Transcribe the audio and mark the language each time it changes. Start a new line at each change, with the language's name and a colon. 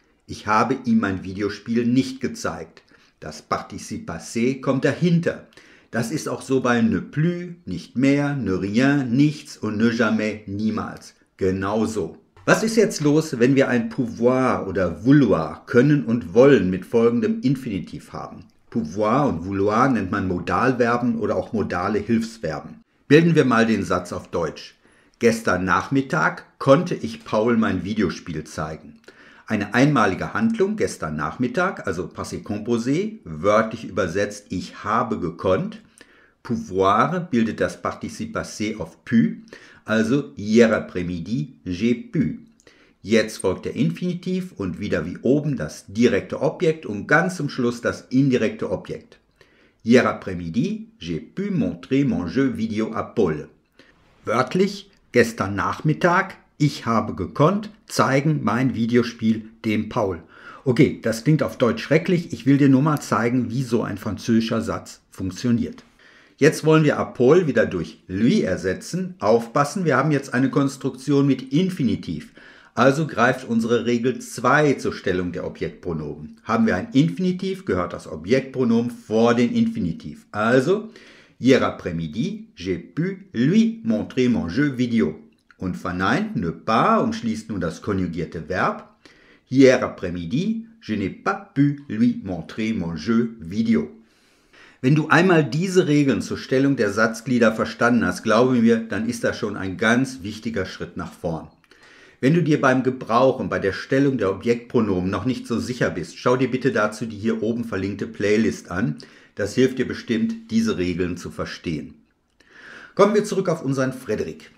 German: Ich habe ihm mein Videospiel nicht gezeigt. Das Partizip passé kommt dahinter. Das ist auch so bei ne plus, nicht mehr, ne rien, nichts und ne jamais, niemals. Genauso. Was ist jetzt los, wenn wir ein pouvoir oder vouloir, können und wollen, mit folgendem Infinitiv haben? Pouvoir und vouloir nennt man Modalverben oder auch modale Hilfsverben. Bilden wir mal den Satz auf Deutsch. Gestern Nachmittag konnte ich Paul mein Videospiel zeigen. Eine einmalige Handlung gestern Nachmittag, also passé composé, wörtlich übersetzt, ich habe gekonnt. Pouvoir bildet das Partizip passé auf pu, also
French: hier après-midi, j'ai pu.
German: Jetzt folgt der Infinitiv und wieder wie oben das direkte Objekt und ganz zum Schluss das indirekte Objekt.
French: Hier après-midi, j'ai pu montrer mon jeu vidéo à Paul.
German: Wörtlich, gestern Nachmittag, ich habe gekonnt, zeigen mein Videospiel dem Paul. Okay, das klingt auf Deutsch schrecklich, ich will dir nur mal zeigen, wie so ein französischer Satz funktioniert. Jetzt wollen wir
French: à Paul
German: wieder durch lui ersetzen. Aufpassen, wir haben jetzt eine Konstruktion mit Infinitiv. Also greift unsere Regel 2 zur Stellung der Objektpronomen. Haben wir ein Infinitiv, gehört das Objektpronomen vor den Infinitiv. Also,
French: hier après-midi, j'ai pu lui montrer mon jeu vidéo.
German: Und verneint, ne pas, umschließt nun das konjugierte Verb.
French: Hier après-midi, je n'ai pas pu lui montrer mon jeu vidéo.
German: Wenn du einmal diese Regeln zur Stellung der Satzglieder verstanden hast, glaube mir, dann ist das schon ein ganz wichtiger Schritt nach vorn. Wenn du dir beim Gebrauch und bei der Stellung der Objektpronomen noch nicht so sicher bist, schau dir bitte dazu die hier oben verlinkte Playlist an. Das hilft dir bestimmt, diese Regeln zu verstehen. Kommen wir zurück auf unseren Frederik.